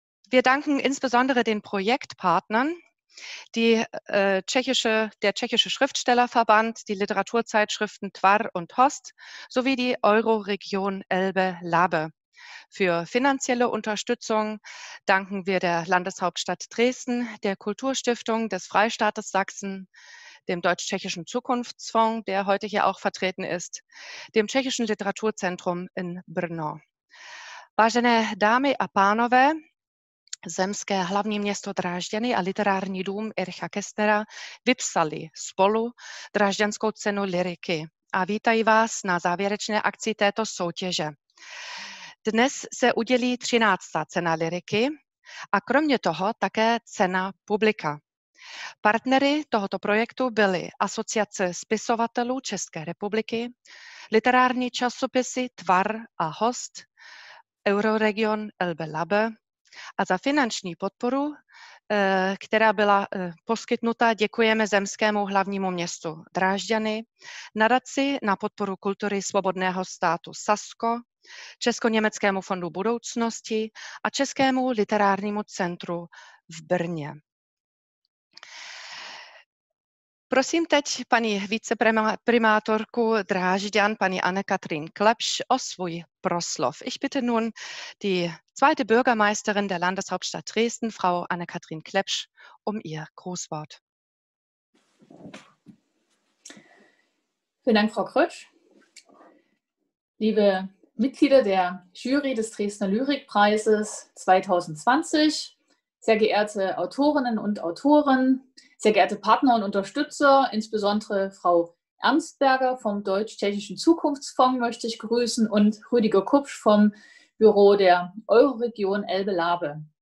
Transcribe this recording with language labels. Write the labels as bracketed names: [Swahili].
[German] Wir danken insbesondere den Projektpartnern, der Tschechische Schriftstellerverband, die Literaturzeitschriften Tvar und Host sowie die Euroregion Elbe-Labe. Für finanzielle Unterstützung danken wir der Landeshauptstadt Dresden, der Kulturstiftung des Freistaates Sachsen, dem Deutsch-Tschechischen Zukunftsfonds, der heute hier auch vertreten ist, dem Tschechischen Literaturzentrum in Brno. [Czech] Vážené dámy a pánové, zemské hlavní město Drážďany a literární dům Ericha Kästnera vypsali spolu Drážďanskou cenu lyriky a vítají vás na závěrečné akci této soutěže. Dnes se udělí 13. cena lyriky a kromě toho také cena publika. Partnery tohoto projektu byly Asociace spisovatelů České republiky, literární časopisy Tvar a Host, Euroregion Elbe-Labe, a za finanční podporu, která byla poskytnuta, děkujeme zemskému hlavnímu městu Drážďany, nadaci na podporu kultury svobodného státu Sasko, Česko-německému fondu budoucnosti a Českému literárnímu centru v Brně. Prosím teď paní viceprimátorku Drážďan, paní Anne-Katrin Klepš, o svůj proslov. [German] Ich bitte nun die zweite Bürgermeisterin der Landeshauptstadt Dresden, Frau Anne-Katrin Klepš, ihr Grußwort. Vielen Dank, Frau Krötsch. Liebe Mitglieder der Jury des Dresdner Lyrikpreises 2020, sehr geehrte Autorinnen und Autoren, sehr geehrte Partner und Unterstützer, insbesondere Frau Ernstberger vom Deutsch-Tschechischen Zukunftsfonds möchte ich grüßen und Rüdiger Kupsch vom Büro der Euroregion Elbe-Labe.